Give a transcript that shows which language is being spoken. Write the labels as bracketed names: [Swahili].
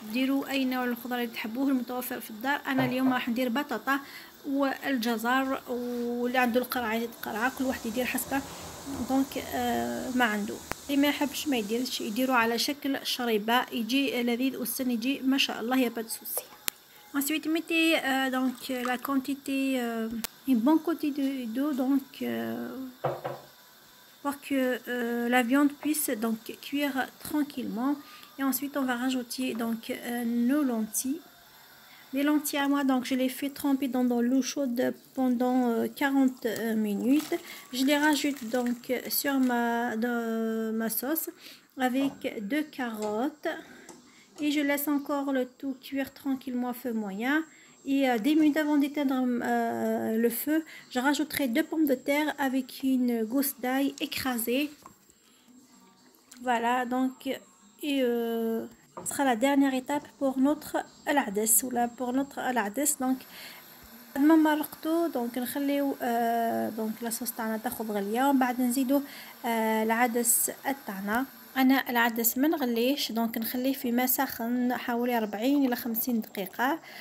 [Arabic] ديروا اي نوع الخضره اللي تحبوه المتوفر في الدار. انا اليوم راح ندير بطاطا والجزر، واللي عنده القرعه يزيد قرعه، كل واحد يدير حسبه. دونك ما عنده، اللي ما يحبش ما يديرش، يديروا على شكل شريبه يجي لذيذ والسن يجي ما شاء الله يا بات سوسي. [French] Ensuite, mettez donc la quantité, une bonne quantité d'eau, donc pour que la viande puisse donc cuire tranquillement. Et ensuite, on va rajouter donc nos lentilles. Les lentilles à moi, donc je les fais tremper dans l'eau chaude pendant 40 minutes. Je les rajoute donc sur ma sauce avec 2 carottes. Et je laisse encore le tout cuire tranquillement à feu moyen. Et 10 minutes avant d'éteindre le feu, je rajouterai 2 pommes de terre avec une gousse d'ail écrasée. Voilà, donc, ce sera la dernière étape pour notre al-ades, ou là, pour notre al-ades. [Arabic] Donc, ما مرقتو، دونك نخليو دونك لاصوص تاعنا تاخذ غليه، ومن بعد نزيدو العدس تاعنا. انا العدس ما نغليش، دونك نخليه في ماء سخن حوالي 40 الى 50 دقيقه.